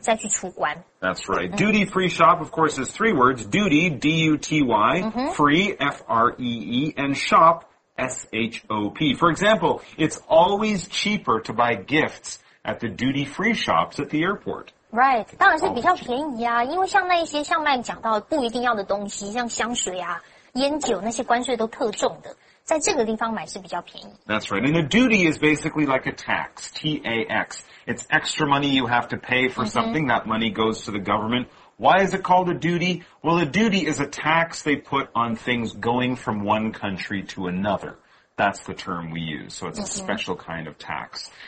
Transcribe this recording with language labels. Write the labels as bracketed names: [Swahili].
[Chinese] 再去出关。 [English] That's right.、Mm-hmm. Duty-free shop, of course, is three words. Duty, D-U-T-Y,、mm-hmm. free, F-R-E-E, and shop,S-H-O-P. For example, it's always cheaper to buy gifts at the duty-free shops at the airport. Right. [Chinese] 当然是比较便宜啊因为像那一些像麦讲到不一定要的东西像香水啊烟酒那些关税都特重的在这个地方买是比较便宜。 [English] That's right. And a duty is basically like a tax, T-A-X. It's extra money you have to pay for、mm-hmm. something. That money goes to the government. Why is it called a duty? Well, a duty is a tax they put on things going from one country to another. That's the term we use. So it's、mm-hmm. a special kind of tax.